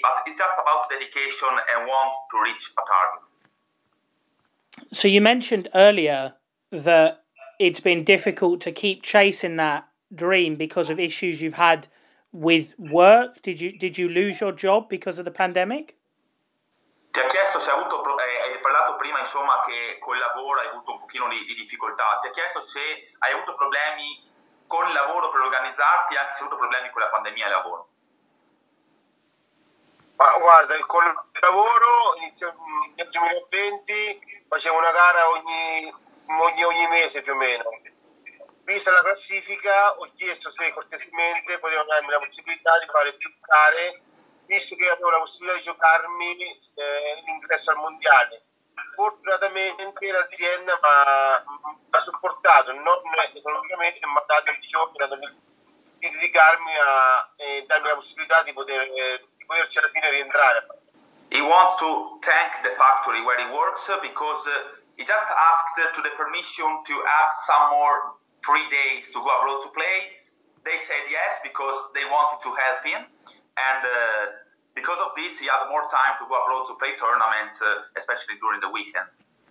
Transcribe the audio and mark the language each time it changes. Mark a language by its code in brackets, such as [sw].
[en] But it's just about dedication and want to reach a target. So you mentioned earlier that it's been difficult to keep chasing that dream because of issues you've had with work. Did you lose your job because of the pandemic? [it] Ti ha chiesto se hai parlato prima, insomma, che col lavoro hai avuto un pochino di difficoltà. Ti ha chiesto se hai avuto problemi con il lavoro per organizzarti, anche se hai avuto problemi con la pandemia e il lavoro. Ma guarda, con il lavoro nel 2020 facevo una gara ogni mese più o meno. Vista la classifica, ho chiesto se cortesemente potevano darmi la possibilità di fare più gare, visto che avevo la possibilità di giocarmi l'ingresso al Mondiale. Fortunatamente l'azienda mi ha supportato, non economicamente, ma ha dato il bisogno di dedicarmi a darmi la possibilità di poterci alla fine rientrare. [en] He wants to thank the factory where he works, because he just asked to the permission to have some more 3 days to go abroad to play. They said yes, because they wanted to help him. And because of this, he had more time to go abroad to play tournaments, especially during the weekends.